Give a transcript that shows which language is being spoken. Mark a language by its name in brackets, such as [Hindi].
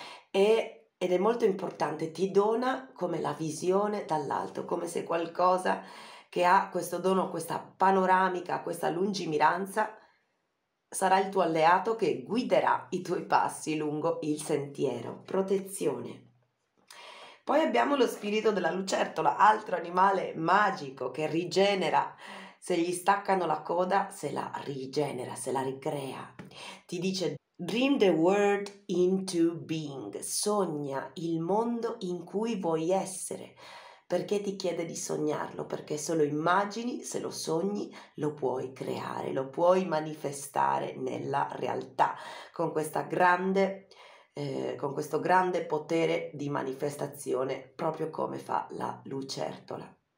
[Italian] Ed è molto importante, ti dona come la visione dall'alto, come se qualcosa che ha questo dono, questa panoramica, questa lungimiranza. Sarà il tuo alleato che guiderà i tuoi passi lungo il sentiero. Protezione. Poi abbiamo lo spirito della lucertola, altro animale magico che rigenera. Se gli staccano la coda, se la rigenera, se la ricrea. [English] Ti dice: Dream the world into being. [Italian] Sogna il mondo in cui vuoi essere. Perché ti chiede di sognarlo? Perché solo immagini, se lo sogni, lo puoi creare, lo puoi manifestare nella realtà con questa grande, con questo grande potere di manifestazione, proprio come fa la lucertola.